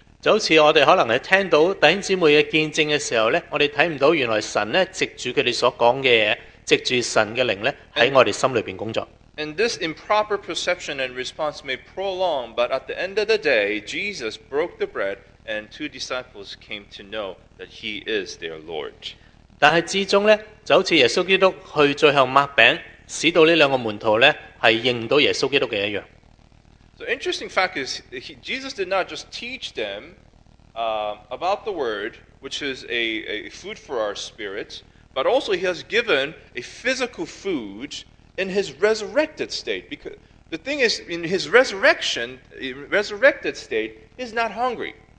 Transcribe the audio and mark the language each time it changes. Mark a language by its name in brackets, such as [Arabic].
[Chinese] 就好似我哋可能系听到弟兄姊妹嘅见证嘅时候咧，我哋睇唔到原来神咧藉住佢哋所讲嘅嘢，藉住神嘅灵咧喺我哋心里边工作。 [English] And this improper perception and response may prolong, but at the end of the day, Jesus broke the bread, and two disciples came to know that he is their Lord. [Chinese] 但是之中呢，就好像耶稣基督去最后抹饼，使到这两个门徒呢，是认到耶稣基督的一样。 [English] So interesting fact is, Jesus did not just teach them about the word, which is a food for our spirits, but also he has given a physical food in his resurrected state. Because the thing is, in his resurrected state, he's not hungry.